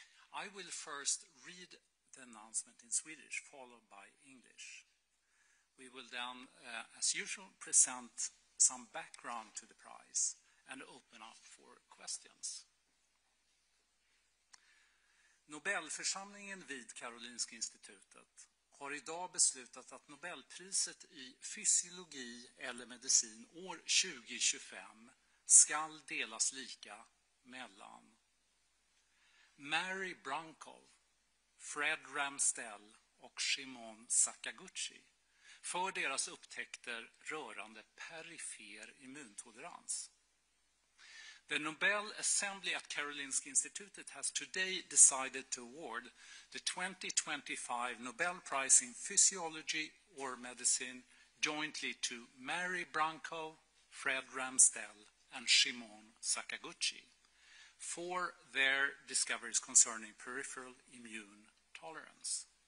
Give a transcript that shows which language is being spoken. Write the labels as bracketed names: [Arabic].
[English] I will first read the announcement in Swedish, followed by English. We will then, as usual, present some background to the prize and open up for questions. [Swedish] Nobelförsamlingen vid Karolinska institutet har idag beslutat att Nobelpriset i fysiologi eller medicin år 2025 ska delas lika mellan Mary Brunkow, Fred Ramsdell och Shimon Sakaguchi för deras upptäckter rörande perifer immuntolerans. [English] The Nobel Assembly at Karolinska Institutet has today decided to award the 2025 Nobel Prize in Physiology or Medicine jointly to Mary Brunkow, Fred Ramsdell and Shimon Sakaguchi for their discoveries concerning peripheral immune tolerance.